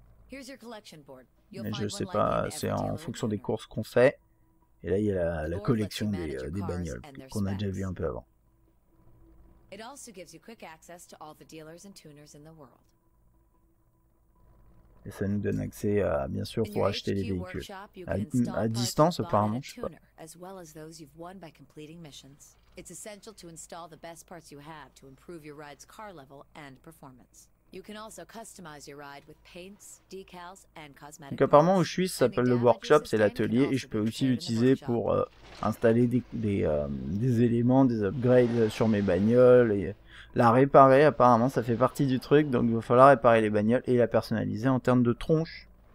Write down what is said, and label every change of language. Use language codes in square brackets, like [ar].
[fr] Mais je sais pas, c'est en fonction des courses qu'on fait. Et là, il y a la collection des bagnoles qu'on a déjà vu un peu avant. [en] It also gives you quick access to all the dealers and tuners in the world. [fr] Et ça nous donne accès à, bien sûr, pour acheter les véhicules. À distance, apparemment, je sais pas. [en] Well as those you've won by completing missions. It's essential to install the best parts you have to improve your ride's car level and performance. You can also customize your ride with paints, decals and cosmetics. [fr] Donc apparemment où je suis, ça s'appelle le workshop, c'est l'atelier, et je peux aussi l'utiliser pour installer des éléments, des upgrades sur mes bagnoles et la réparer. Apparemment ça fait partie du truc, donc il va falloir réparer les bagnoles et la personnaliser en termes de tronche.